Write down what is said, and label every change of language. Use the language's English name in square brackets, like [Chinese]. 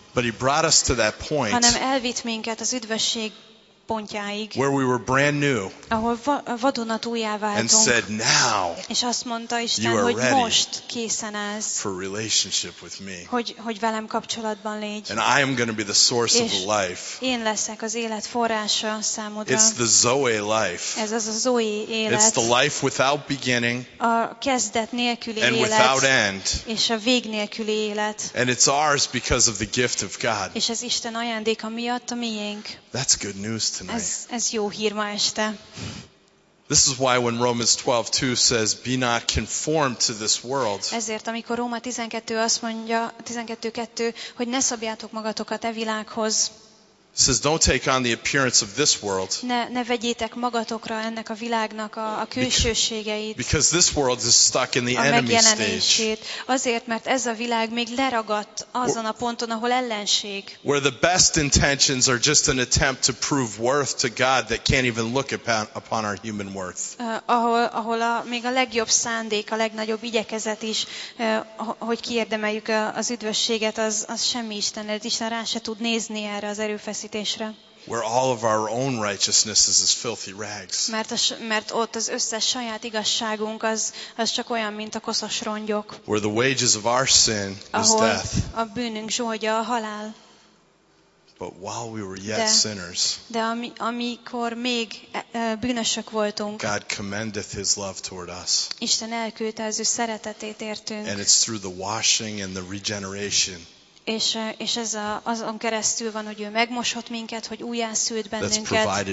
[English] But He brought us to that point. [Hungarian] Hanem elvitt minket az üdvösség. [English] Where we were brand new. [Hungarian] Ahol vadonatújjá váltunk. [English] And said now. [Hungarian] És azt mondta Isten, hogy most készen állsz. [English] For relationship with me. [Hungarian] Hogy velem kapcsolatban légy. [English] And I am going to be the source of life. [Hungarian] Én leszek az élet forrása számodra. [English] It's the Zoe life. [Hungarian] Ez az a Zoe élet. [English] It's the life without beginning. [Hungarian] A kezdet nélküli élet. [English] And without end. [Hungarian] És a vég nélküli élet. [English] And it's ours because of the gift of God. [Hungarian] És ez Isten ajándéka miatt a miénk. [English] That's good news. [Hungarian] Ez jó hír ma este. [English] This is why when Romans 12:2 says be not conformed to this world. [Hungarian] Ezért amikor Róma 12 azt mondja 12:2, hogy ne szabjátok magatokat e világhoz. [English] It says don't take on the appearance of this world. [Hungarian] Ne vegyétek magatokra ennek a világnak a külsőségeit. [English] Because this world is stuck in the enemy stage. [Hungarian] Azért, mert ez a világ még leragadt azon a ponton, ahol ellenség. [English] Where the best intentions are just an attempt to prove worth to God that can't even look upon our human worth. [Hungarian] Ahol még a legjobb szándék, a legnagyobb igyekezet is, hogy kiérdemeljük az üdvösséget, az semmi Isten, mert Isten rá se tud nézni erre az erőfeszítésre. [English] Where all of our own righteousness is as filthy rags. [Hungarian] Mert ott az összes saját igazságunk az csak olyan, mint a koszos rongyok. [English] Where the wages of our sin is death. [Hungarian] A bűnünk zsoldja a halál. [English] But while we were yet sinners. [Hungarian] De amikor még bűnösök voltunk. [English] God commendeth His love toward us. [Hungarian] Isten elküldte az ő szeretetét értünk. [English] And it's through the washing and the regeneration. [Hungarian] És ez azon keresztül van, hogy ő megmosott minket, hogy újjászült bennünket.